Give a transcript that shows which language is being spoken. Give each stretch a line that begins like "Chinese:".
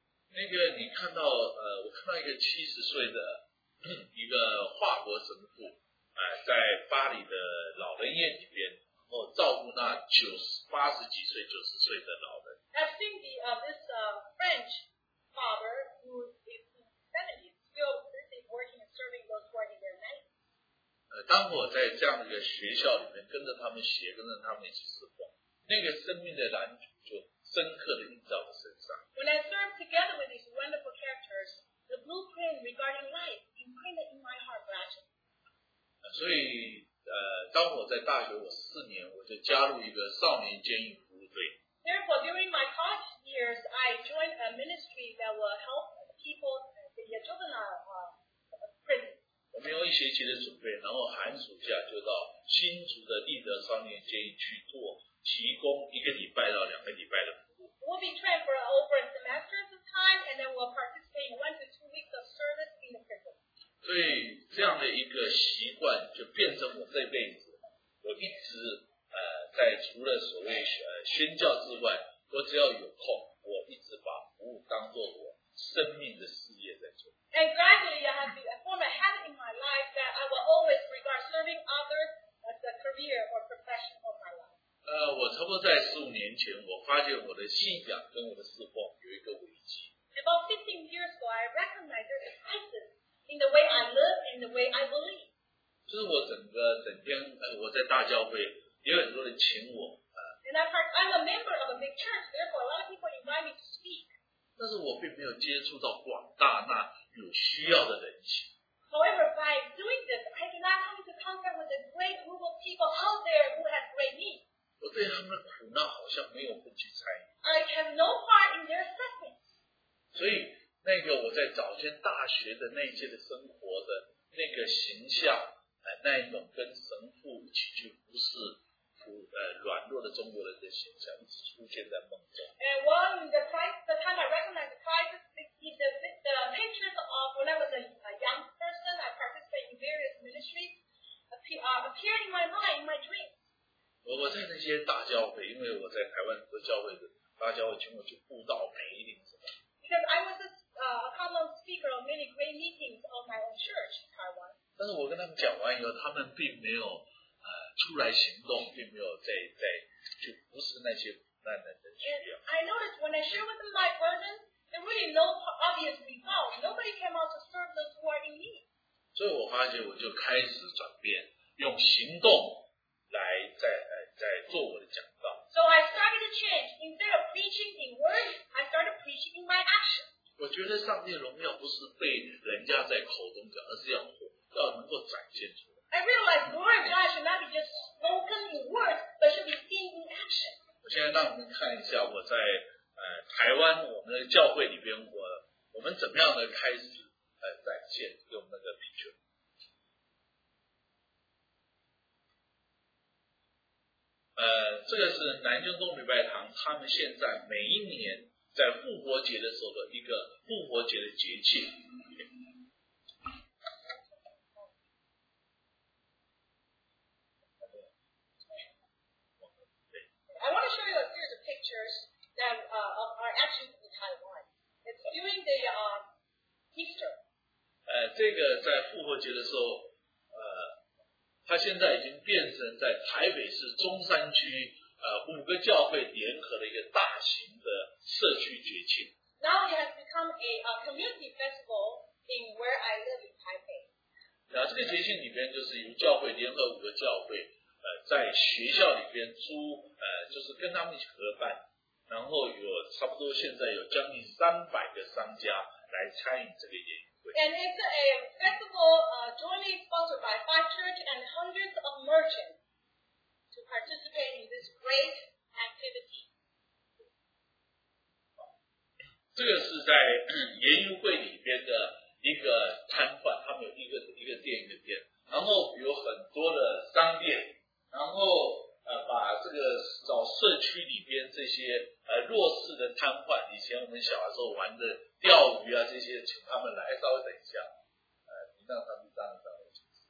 Chinese: 那个你看到我看到一个70岁的一个华国神父在巴黎的老人院里边，然后照顾那80几岁90岁的老人。
English: I've seen this French father who is 70 still busy working and serving those who are in their 90s.
Chinese: 当我在这样的一个学校里面跟着他们学，跟着他们一起侍奉，那个生命的蓝图就深刻的印在我身上。
English: When I served together with these wonderful characters, the blueprint regarding life imprinted in my heart gradually.
Chinese: 所以，当我在大学，我4年，我就加入一个少年监狱服务队。
English: Therefore, during my college years, I joined a ministry that will help people in the juvenile prison.
Chinese: 我们有一学期的准备，然后寒暑假就到新竹的立德少年监狱去做。提供一个礼拜到两个礼拜的服务。
English: We'll be trained for over a semester at the time, and then we'll participate in 1 to 2 weeks of service in the prison.
Chinese: 所以这样的一个习惯就变成我这辈子，我一直在除了所谓宣教之外，我只要有空，我一直把服务当作我生命的事业在做。
English: And gradually, I have formed a habit in my life that I will always regard serving others as a career or profession of my life.
Chinese: 我差不多在15年前，我发现我的信仰跟我的侍奉有一个危机。
English: About 15 years ago, I recognized there's a crisis in the way I live and the way I believe.
Chinese: 就是我整天我在大教会，有很多人请我。
English: And I'm a member of a big church, therefore a lot of people invite me to speak.
Chinese: 但是我并没有接触到广大那有需要的人群。
English: However, by doing this, I did not come into contact with a great group of people out there who have great need.
Chinese: 我对他们的苦难好像没有分去参与。
English: I have no part in their suffering.
Chinese: 所以那个我在早先大学的那些的生活的那个形象，那一种跟神父一起去服侍。软弱的中国人的形象一直出现在梦中。
English: And while in the time I recognized the crisis, the pictures of when I was a young person, I participated in various ministries, appeared in my mind, in my dreams.
Chinese: 我在那些大教会，因为我在台湾很多教会的大教会，请我去布道、培灵什么。
English: Because I was a common speaker of many great meetings of my own church in Taiwan.
Chinese: 但是我跟他们讲完以后，他们并没有。出来行动，并没有在就不是那些苦难人的需要。
English: And I noticed when I share with them my burden, there really no obvious result. Nobody came out to serve those who are in need.
Chinese: 所以我发现我就开始转变，用行动来在做我的讲道。
English: So I started to change. Instead of preaching in words, I started preaching in my action.
Chinese: 我觉得上帝的荣耀不是被人家在口中讲，而是要能够展现出来。
English: I realize glory of God should not be just spoken in words, but should be seen in action.
Chinese: 我现在让我们看一下我在台湾我们的教会里边我们怎么样的开始展现用那个 picture. 这个是南京东礼拜堂他们现在每一年在复活节的时候的一个复活节的节庆。
English: I want to show you a series of pictures that of our actions in Taiwan. It's during the Easter.
Chinese: 这个在复活节的时候，它现在已经变成在台北市中山区五个教会联合的一个大型的社区节庆。
English: Now it has become a community festival in where I live in Taipei.
Chinese: 那这个节庆里边就是由教会联合五个教会。在学校里边租就是跟他们一起合办，然后有差不多现在有将近300个商家来参与这个演唱会。
English: And it's a festival jointly sponsored by five churches and hundreds of merchants to participate in this great activity.
Chinese: 这个是在演唱会里边的一个摊贩，他们有一个店一个店，然后有很多的商店。然后把这个找社区里边这些弱势的瘫痪，以前我们小的时候玩的钓鱼啊这些，请他们来，稍微等一下，你让他们站到一起。